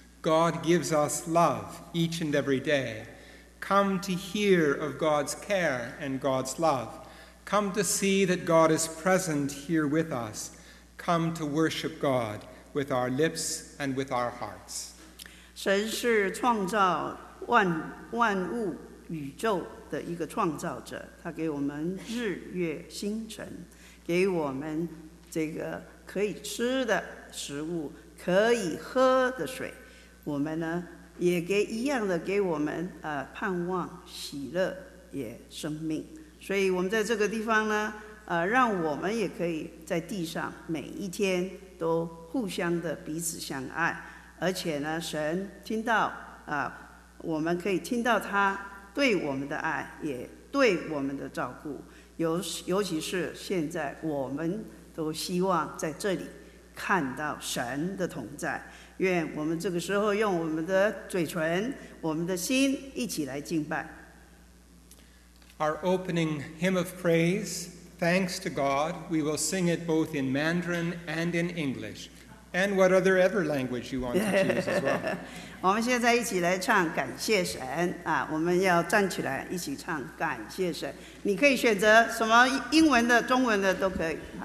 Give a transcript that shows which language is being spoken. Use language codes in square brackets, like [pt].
[en] God gives us love each and every day. Come to hear of God's care and God's love. Come to see that God is present here with us. Come to worship God with our lips and with our hearts. [zh] 神是创造 万物宇宙的一个创造者，他给我们日月星辰，给我们这个可以吃的食物，可以喝的水，我们呢也给一样的给我们盼望喜乐也生命。所以我们在这个地方呢，让我们也可以在地上每一天都互相的彼此相爱，而且呢，神听到我们可以听到他对我们的爱，也对我们的照顾。尤其是现在，我们都希望在这里看到神的同在。愿我们这个时候用我们的嘴唇、我们的心一起来敬拜。 [en] Our opening hymn of praise, thanks to God, we will sing it both in Mandarin and in English, and whatever language you want to choose as well. [zh] 我们现在一起来唱感谢神啊！我们要站起来一起唱感谢神。你可以选择什么英文的、中文的都可以。